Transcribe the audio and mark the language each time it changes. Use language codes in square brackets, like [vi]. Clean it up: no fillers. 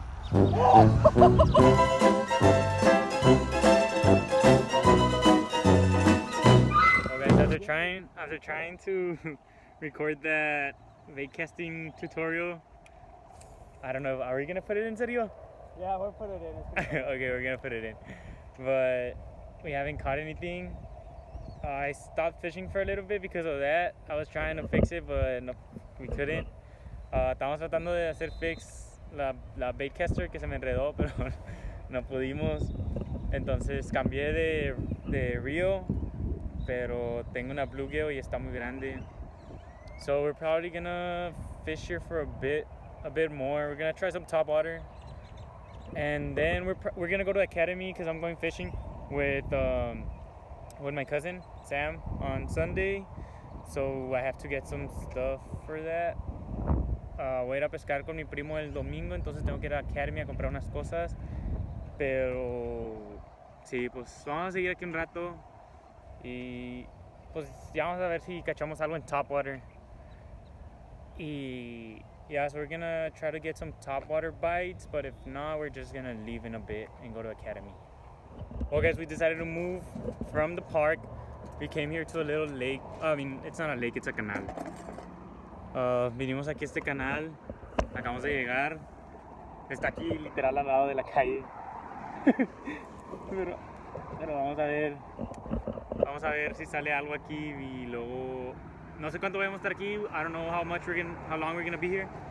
[en] Okay, so after trying to record that bait casting tutorial, I don't know, are we gonna put it in, Sergio? Yeah, we'll put it in. Okay, we're gonna put it in, but we haven't caught anything. I stopped fishing for a little bit because of that. I was trying to fix it, but no, we couldn't. [es] Estamos tratando de hacer fix la bait caster que se me enredó, pero no pudimos. Entonces cambié de reel, pero tengo una bluegill y está muy grande. [en] So we're probably gonna fish here for a bit more. We're gonna try some top water, and then we're gonna go to academy because I'm going fishing with my cousin Sam on Sunday. So I have to get some stuff for that. [es] Voy a ir a pescar con mi primo el domingo, entonces tengo que ir a academy a comprar unas cosas. Pero sí, pues vamos a seguir aquí un rato y pues ya vamos a ver si cachamos algo en top water. Yeah, so we're gonna try to get some top water bites, but if not, we're just gonna leave in a bit and go to academy. [en] Well, guys, we decided to move from the park. We came here to a little lake. I mean, it's not a lake, it's a canal. [es] Vinimos aquí a este canal. Acabamos de llegar. Está aquí literal al lado de la calle. pero vamos a ver si sale algo aquí y luego. No sé cuánto vamos a estar aquí. [en] I don't know how long we're gonna be here.